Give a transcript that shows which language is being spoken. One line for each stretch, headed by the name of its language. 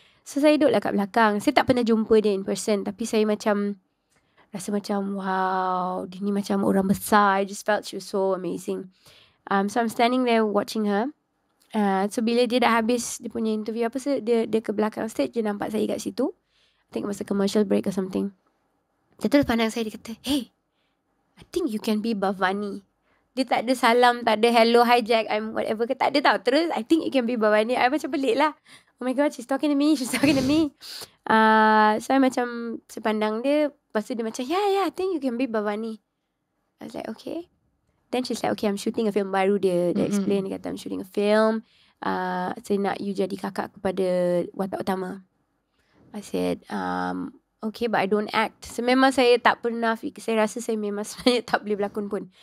Malay: So saya duduk lah kat belakang. Saya tak pernah jumpa dia
English: in person.
Malay: Tapi saya macam rasa macam wow, dia ni macam orang besar.
English: I just felt she was so amazing. So I'm standing there watching her.
Malay: So bila dia dah habis dia punya interview apa sih, dia ke belakang stage. Dia nampak saya kat situ.
English: I think it was a commercial break or something.
Malay: Dia terus pandang saya, dia kata,
English: "Hey, I think you can be Bhavani."
Malay: Dia tak ada salam, tak ada hello, hi Jack, I'm whatever ke, tak ada tau. Terus,
English: "I think you can be Bhavani." I
Malay: macam pelik lah.
English: Oh my god, she's talking to me. So I
Malay: macam sepandang dia, lepas tu dia macam,
English: yeah, I think you can be Bhavani. I was like, okay. Then she's like, okay, I'm shooting a film baru.
Malay: Dia explain, dia kata,
English: I'm shooting a film.
Malay: Saya nak you jadi kakak kepada watak utama.
English: I said, okay, but I don't act.
Malay: So memang saya tak pernah fikir. Saya rasa saya memang sebenarnya tak boleh berlakon pun.